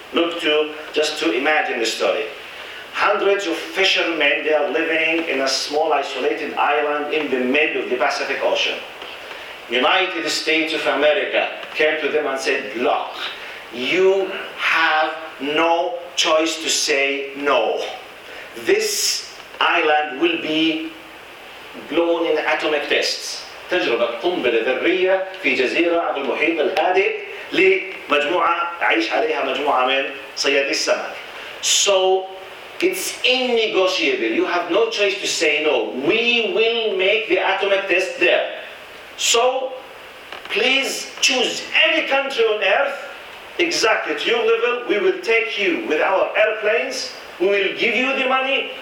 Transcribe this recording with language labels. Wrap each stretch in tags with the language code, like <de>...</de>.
<en>Look to, just to imagine the story. Hundreds of fishermen, they are living in a small isolated island in the middle of the Pacific Ocean. United States of America came to them and said, look, you have no choice to say no. This island will be blown in atomic tests.</en> <ar>تجربة قنبلة ذرية في جزيرة على المحيط الهادئ لمجموعة عايش عليها مجموعة من صيادي السمك.</ar> <en>So, it's innegotiable. You have no choice to say no. We will make the atomic test there. So, please choose any country on earth exactly at your level. We will take you with our airplanes. We will give you the money.</en>